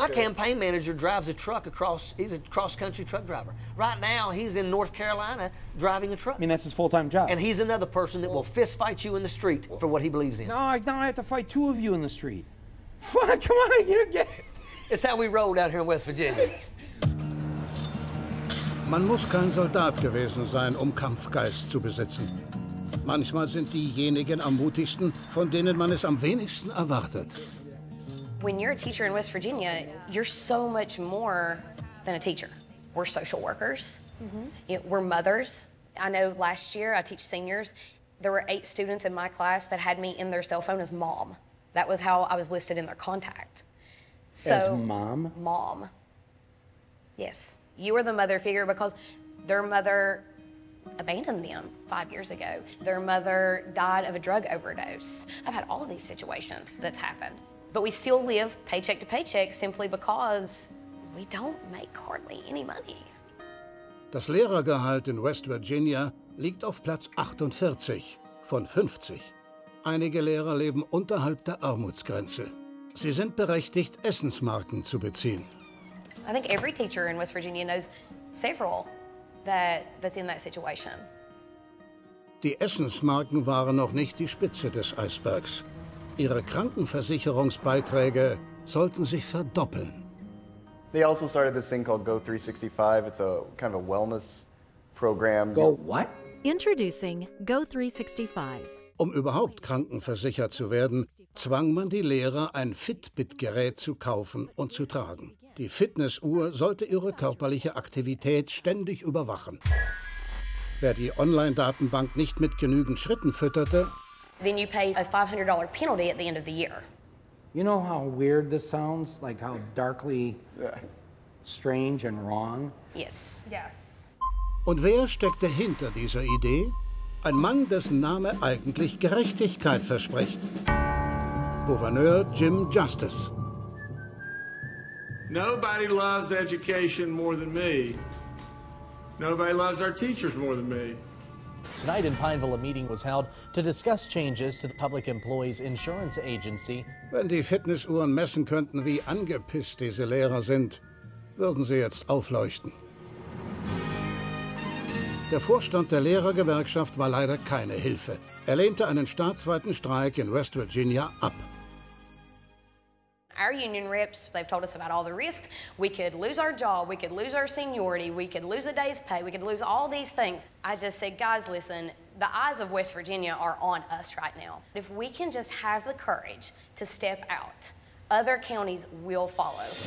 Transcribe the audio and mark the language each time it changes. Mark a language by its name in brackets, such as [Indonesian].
[English] My campaign manager drives a truck across, he's a cross-country truck driver. Right now, he's in North Carolina driving a truck. I mean, that's his full-time job. And he's another person that will fist fight you in the street for what he believes in. No, now I have to fight two of you in the street. Fuck, come on, you guys. It's how we roll out here in West Virginia. [German] Man muss kein Soldat gewesen sein, um Kampfgeist zu besitzen. Manchmal sind diejenigen am mutigsten, von denen man es am wenigsten erwartet. [English] When you're a teacher in West Virginia, you're so much more than a teacher. We're social workers. Mm-hmm. We're mothers. I know last year I teach seniors. There were 8 students in my class that had me in their cell phone as mom. That was how I was listed in their contact. So, as mom? Mom. Yes. You are the mother figure because their mother abandoned them 5 years ago. Their mother died of a drug overdose. I've had all of these situations that's happened. But we still live paycheck to paycheck simply because we don't make hardly any money. [German] Das Lehrergehalt in West Virginia liegt auf Platz 48 von 50. Einige Lehrer leben unterhalb der Armutsgrenze. Sie sind berechtigt, Essensmarken zu beziehen. [English] I think every teacher in West Virginia knows several that's in that situation. [German] Die Essensmarken waren noch nicht die Spitze des Eisbergs. Ihre Krankenversicherungsbeiträge sollten sich verdoppeln. [English] They also started this thing called Go365. It's a kind of a wellness program. Go what? Introducing Go365. [German] Um überhaupt krankenversichert zu werden, zwang man die Lehrer, ein Fitbit-Gerät zu kaufen und zu tragen. Die Fitnessuhr sollte ihre körperliche Aktivität ständig überwachen. Wer die Online-Datenbank nicht mit genügend Schritten fütterte, [English] then you pay a $500 penalty at the end of the year. You know how weird this sounds? Like how darkly strange and wrong? Yes. Yes. [German] Und wer steckte hinter dieser Idee? Ein Mann, dessen Name eigentlich Gerechtigkeit verspricht. Gouverneur Jim Justice. [English] Nobody loves education more than me. Nobody loves our teachers more than me. Tonight in Pineville, a meeting was held to discuss changes to the Public Employees Insurance Agency. [German] Wenn die Fitnessuhren messen könnten, wie angepisst diese Lehrer sind, würden sie jetzt aufleuchten. Der Vorstand der Lehrergewerkschaft war leider keine Hilfe. Er lehnte einen staatsweiten Streik in West Virginia ab. [English] Our union reps, they've told us about all the risks. We could lose our job, we could lose our seniority, we could lose a day's pay, we could lose all these things. I just said, guys, listen, the eyes of West Virginia are on us right now. If we can just have the courage to step out, other counties will follow.